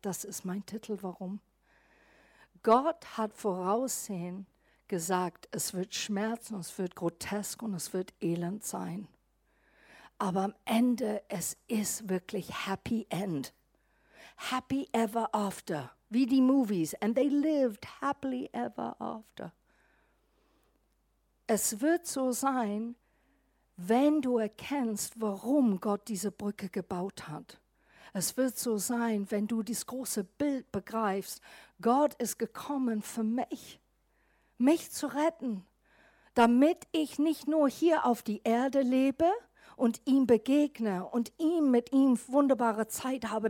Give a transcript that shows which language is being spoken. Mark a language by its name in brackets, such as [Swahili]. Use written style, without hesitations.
[German] Das ist mein Titel, warum? Gott hat voraussehend gesagt, es wird Schmerz und es wird grotesk und es wird Elend sein. Aber am Ende, es ist wirklich Happy End. [English] Happy ever after. [German] Wie die Movies. [English] And they lived happily ever after. [German] Es wird so sein, wenn du erkennst, warum Gott diese Brücke gebaut hat. Es wird so sein, wenn du das große Bild begreifst. Gott ist gekommen für mich, mich zu retten, damit ich nicht nur hier auf die Erde lebe und ihm begegne und ihm mit ihm wunderbare Zeit habe.